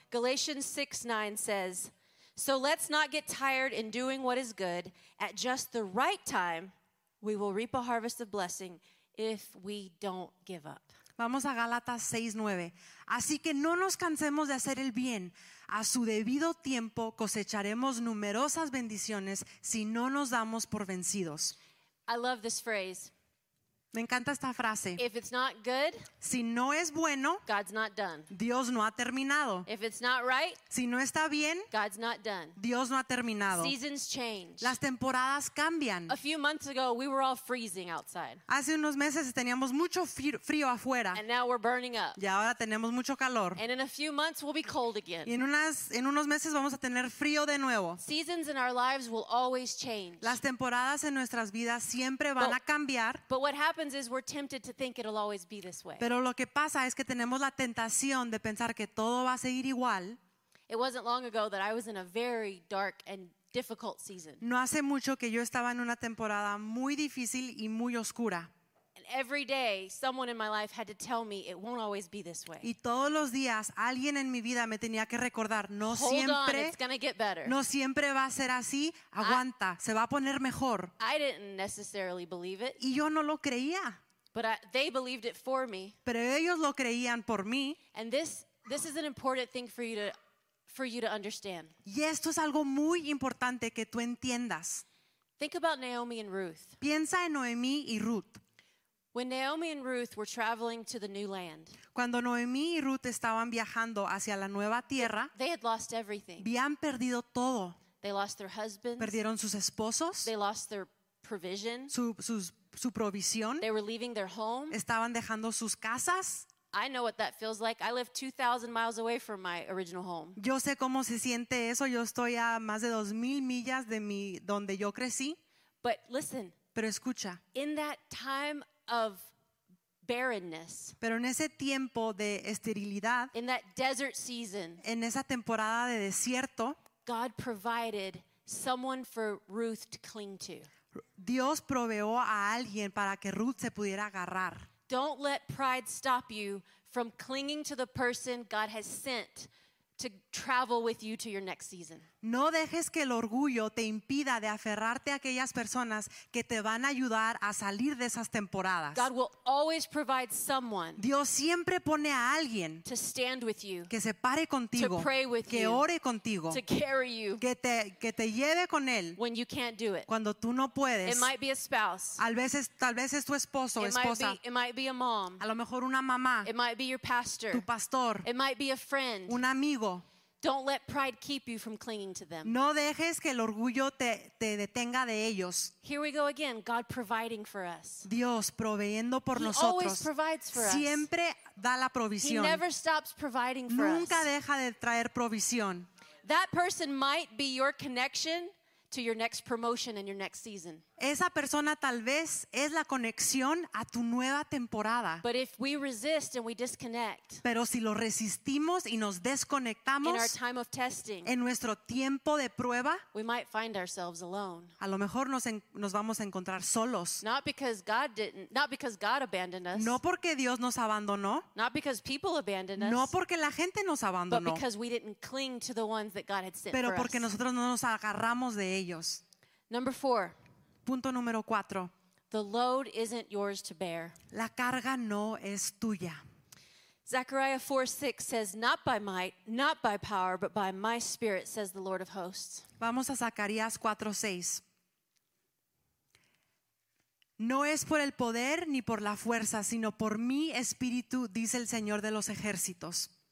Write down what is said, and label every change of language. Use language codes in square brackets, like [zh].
[en] Galatians 6:9 says, "So let's not get tired in doing what is good. At just the right time, we will reap a harvest of blessing if we don't give up." [es] Vamos a Gálatas 6:9. Así que no nos cansemos de hacer el bien. A su debido tiempo cosecharemos numerosas bendiciones si no nos damos por vencidos. [en] I love this phrase. [es] Me encanta esta frase. [en] If it's not good, [es] si no es bueno, [en] God's not done. [es] Dios no ha terminado. [en] If it's not right, [es] si no está bien, [en] God's not done. [es] Dios no ha terminado. [en] Seasons change. [es] Las temporadas cambian. [en] A few months ago, we were all freezing outside. [es] Hace unos meses teníamos mucho frío afuera. [en] And now we're burning up. [es] Y ahora tenemos mucho calor. [en] And in a few months, we'll be cold again. [es] Y en unos meses vamos a tener frío de nuevo. [en] Seasons in our lives will always change. [es] Las temporadas en nuestras vidas siempre van a cambiar. [en] But what happens? What happens is we're tempted to think it'll always be this way. [es] Pero lo que pasa es que tenemos la tentación de pensar que todo va a seguir igual. [en] It wasn't long ago that I was in a very dark and difficult season. [es] No hace mucho que yo estaba en una temporada muy difícil y muy oscura. [en] And every day, someone in my life had to tell me it won't always be this way. [es] Y todos los días, alguien en mi vida me tenía que recordar, no siempre. [en] Hold on, it's going to get better. [es] No siempre va a ser así. Aguanta, se va a poner mejor. [en] I didn't necessarily believe it. [es] Y yo no lo creía. [en] But they believed it for me. [es] Pero ellos lo creían por mí. [en] And this is an important thing for you to understand. [es] Y esto es algo muy importante que tú entiendas. [en] Think about Naomi and Ruth. [es] Piensa en Noemí y Ruth. [en] When Naomi and Ruth were traveling to the new land, [es] cuando Noemí y Ruth estaban viajando hacia la nueva tierra, [en] they had lost everything. [es] Habían perdido todo. [en] They lost their husbands. [es] Perdieron sus esposos. [en] They lost their provision. [es] Su provisión. [en] They were leaving their home. [es] Estaban dejando sus casas. [en] I know what that feels like. I live 2,000 miles away from my original home. [es] Yo sé cómo se siente eso. Yo estoy a más de 2,000 millas de mi donde yo crecí. [en] But listen. [es] Pero escucha. [en] In that time of barrenness. [es] Pero en ese tiempo de esterilidad. [en] In that desert season. [es] En esa temporada de desierto. [en] God provided someone for Ruth to cling to. [es] Dios proveó a alguien para que Ruth se pudiera agarrar. [en] Don't let pride stop you from clinging to the person God has sent to travel with you to your next season. [es] No dejes que el orgullo te impida de aferrarte a aquellas personas que te van a ayudar a salir de esas temporadas. [en] God will always provide someone. [es] Dios siempre pone a alguien [en] to stand with you. [es] Que se pare contigo. [en] To pray with [es] que [en] you. [es] Que ore contigo. [en] To carry you. [es] Que te lleve con él. [en] When you can't do it. [es] Cuando tú no puedes. [en] It might be a spouse. [es] Tal vez es tu esposo o esposa. [en] It might be a mom. [es] A lo mejor una mamá. [en] It might be your pastor. [es] Tu pastor. [en] It might be a friend. [es] Un amigo. [en] Don't let pride keep you from clinging to them. [es] No dejes que el orgullo te detenga de ellos. [en] Here we go again, God providing for us. [es] Dios proveyendo por [en] he [es] nosotros. [en] He always provides for [es] siempre [en] us. [es] Siempre da la provisión. [en] He never stops providing for [es] nunca [en] us. [es] Nunca deja de traer provisión. [en] That person might be your connection to your next promotion and your next season. [es] Esa persona tal vez es la conexión a tu nueva temporada. [en] But if we resist and we disconnect, [es] pero si lo resistimos y nos desconectamos, [en] in our time of testing, [es] en nuestro tiempo de prueba, [en] we might find ourselves alone. [es] A lo mejor nos vamos a encontrar solos. [en] Not because God didn't, not because God abandoned us. [es] No porque Dios nos abandonó. [en] Not because people abandoned us. [es] No porque la gente nos abandonó. [en] But because we didn't cling to the ones that God had sent. [es] Pero porque nosotros no nos agarramos de ellos. [en] Number four. [es] Punto número cuatro. [en] The load isn't yours to bear. [es] La carga no es tuya. [en] Zechariah 4:6 says, "Not by might, not by power, but by my spirit," says the Lord of hosts. [es] Vamos a Zacarías 4:6. No es por el poder ni por la fuerza, sino por mi espíritu, dice el Señor de los ejércitos.